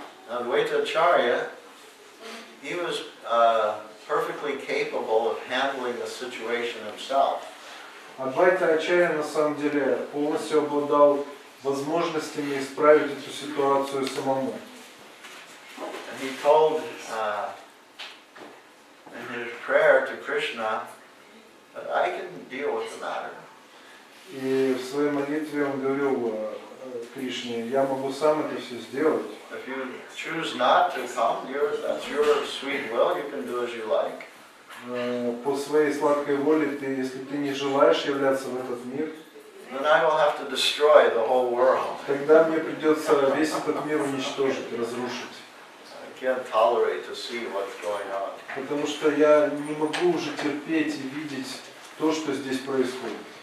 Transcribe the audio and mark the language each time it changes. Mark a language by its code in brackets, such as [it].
[en] Advaita Acharya, he was perfectly capable of handling the situation himself. [ru] Advaita Acharya на самом деле полностью обладал возможностями исправить эту ситуацию самому. [en] And he told in his prayer to Krishna, that I can deal with the matter. [ru] И в своей молитве он говорил Кришне, я могу сам это все сделать. [en] If you choose not to come, that's your sweet will, you can do as you like. [ru] По своей сладкой воле, если ты не желаешь являться в этот мир, [en] then I will have to destroy the whole world. [ru] Тогда мне придется весь этот мир уничтожить, разрушить. [en] Can't tolerate to see what's going on. [ru] Потому что я не могу уже терпеть и видеть то, что здесь происходит.